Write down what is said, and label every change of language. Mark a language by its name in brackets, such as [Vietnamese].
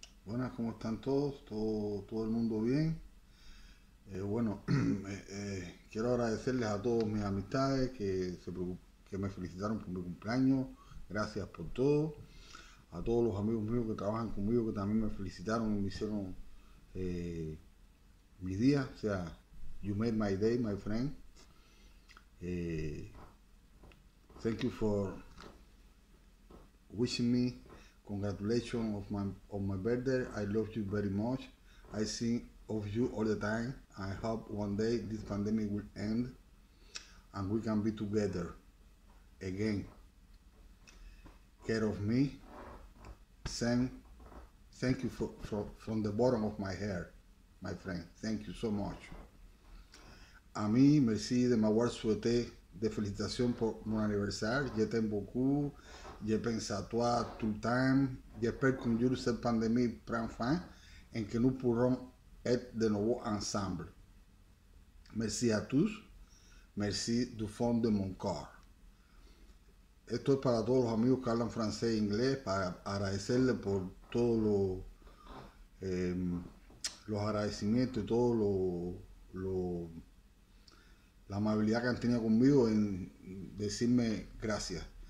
[Spanish] Buenas, ¿cómo están todos? ¿Todo el mundo bien? Bueno, quiero agradecerles a todos mis amistades que me felicitaron por mi cumpleaños. Gracias por todo. A todos los amigos míos que trabajan conmigo, que también me felicitaron y me hicieron mi día. O sea, [English] you made my day, my friend. Thank you for wishing me. Congratulations of my birthday. I love you very much. I think of you all the time. I hope one day this pandemic will end and we can be together again. Care of me. Thank you from the bottom of my heart, my friend. Thank you so much. [Spanish] A mí, [French] merci de m'avoir souhaité de [Spanish] felicitación por [French] mon anniversaire. Je t'aime beaucoup. Je pense à toi tout le temps. J'espère qu'un jour cette pandémie prend fin et que nous pourrons être de nouveau ensemble. Merci à tous. Merci du fond de mon corps. [Spanish] Esto es para todos los amigos que hablan francés e inglés, para agradecerles por todos los agradecimientos y todo la amabilidad que han tenido conmigo en decirme gracias.